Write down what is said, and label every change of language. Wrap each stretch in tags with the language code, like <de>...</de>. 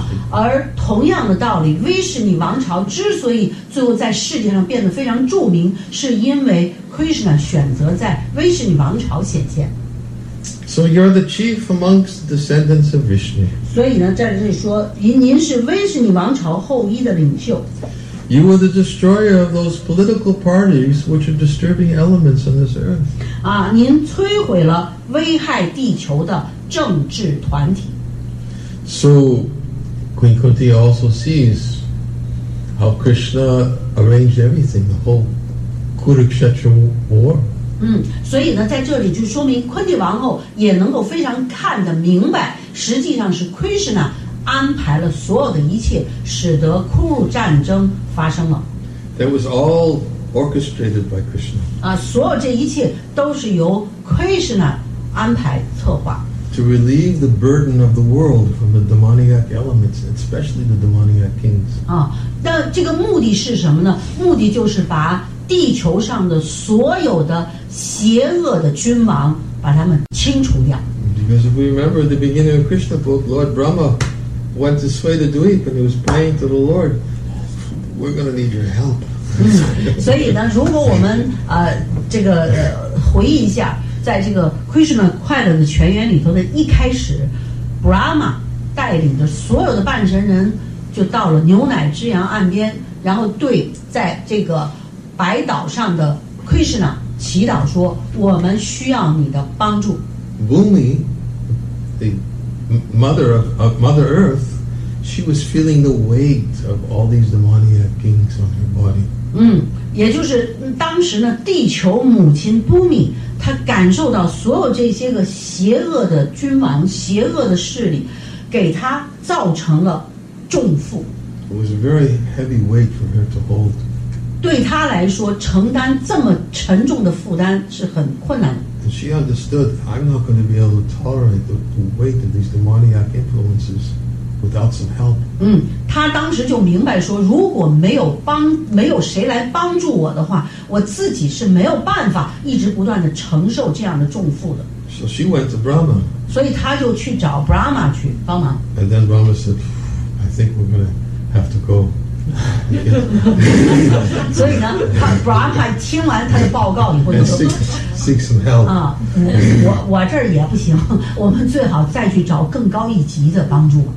<zh>而同样的道理，威士尼王朝之所以最后在世界上变得非常著名，是因为 Krishna 选择在威士尼王朝显现。</zh> <en>So you're the chief amongst descendants of Vishnu.</en> <zh>所以呢，在这里说，您是威士尼王朝后裔的领袖。</zh> <en>You are the destroyer of those political parties which are disturbing elements on this earth.</en> <zh>啊，您摧毁了危害地球的政治团体。</zh> <en>So, Queen Kunti also sees how Krishna arranged everything, the whole Kurukshetra war.</en> <zh>所以呢，在这里就说明昆蒂王后也能够非常看得明白，实际上是 Krishna 安排了所有的一切，使得库鲁战争发生了。</zh> <en>That was all orchestrated by Krishna.</en> <zh>所有这一切都是由 Krishna 安排策划。</zh> <en>To relieve the burden of the world from the demoniac elements, especially the demoniac kings.</en> <zh>那这个目的是什么呢？目的就是把地球上的所有的邪恶的君王把他们清除掉。</zh> <en>Because if we remember at the beginning of Krishna book, Lord Brahma went to Svetadvipa and he was praying to the Lord, "We're going to need your help."</en> <zh>所以呢，如果我们这个回忆一下。在这个 Krishna 快乐的泉源里头的一开始 ，Brahma 带领着所有的半神人就到了牛奶之洋岸边，然后对在这个白岛上的 Krishna 祈祷说：“我们需要你的帮助。”</zh> <en>Bhumi, the mother of Mother Earth, she was feeling the weight of all these demoniac kings on her body.</en> <zh>也就是当时呢，地球母亲 Bhumi。他感受到所有这些个邪恶的君王、邪恶的势力，给他造成了重负。</zh> <en>It was a very heavy weight for her to hold.</en> <zh>对他来说，承担这么沉重的负担是很困难的。</zh> <en>And she understood, I'm not going to be able to tolerate the weight of these demoniac influences without some help.</en> <zh>他当时就明白说，如果没有谁来帮助我的话，我自己是没有办法一直不断的承受这样的重负的。</zh> <en>So she went to Brahma.</en> <zh>所以他就去找 Brahma 去帮忙。</zh> <en>And then Brahma said, I think we're going to have to go.</en> <zh>所以呢，他 Brahma 听完他的报告以后就说</zh> <en>seek some help.</en> <zh>我这儿也不行，我们最好再去找更高一级的帮助。</zh>